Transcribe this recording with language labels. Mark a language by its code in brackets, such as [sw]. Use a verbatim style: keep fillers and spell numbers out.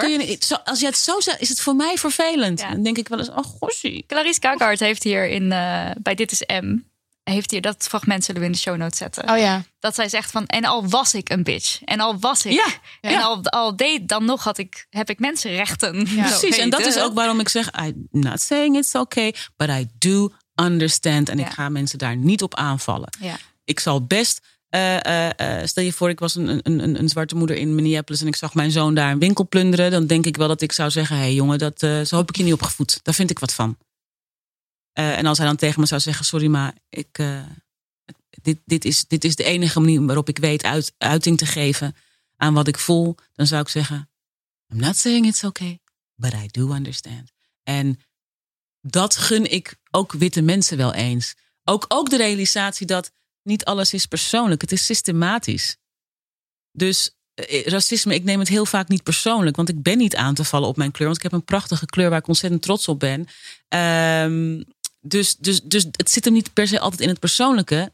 [nl] Kun je, zo, als je het zo zegt, is het voor mij vervelend. Ja. Dan denk ik wel eens, oh gossie. Clarisse Kakart heeft hier in, uh, bij Dit is M... heeft hier dat fragment, zullen we in de show notes zetten. Oh ja. Dat zij zegt van, en al was ik een bitch. En al was ik. Ja, en ja. Al, al deed dan nog, had ik, heb ik mensenrechten. Ja. Precies, en dat is ook waarom ik zeg... [en] I'm not saying it's okay, but I do understand. [nl] En ja. ik ga mensen daar niet op aanvallen. Ja. Ik zal best... Uh, uh, uh, stel je voor, ik was een, een, een, een zwarte moeder in Minneapolis... en ik zag mijn zoon daar een winkel plunderen... dan denk ik wel dat ik zou zeggen... hé hey, jongen, dat, uh, zo heb ik je niet opgevoed. Daar vind ik wat van. Uh, en als hij dan tegen me zou zeggen... sorry, maar ik, uh, dit, dit, is, dit is de enige manier waarop ik weet... Uit, uiting te geven aan wat ik voel... dan zou ik zeggen... [en] I'm not saying it's okay, but I do understand. [nl] En dat gun ik ook witte mensen wel eens. Ook, ook de realisatie dat... niet alles is persoonlijk, het is systematisch. Dus eh, racisme, ik neem het heel vaak niet persoonlijk... want ik ben niet aan te vallen op mijn kleur... want ik heb een prachtige kleur waar ik ontzettend trots op ben. Um, dus, dus, dus het zit hem niet per se altijd in het persoonlijke.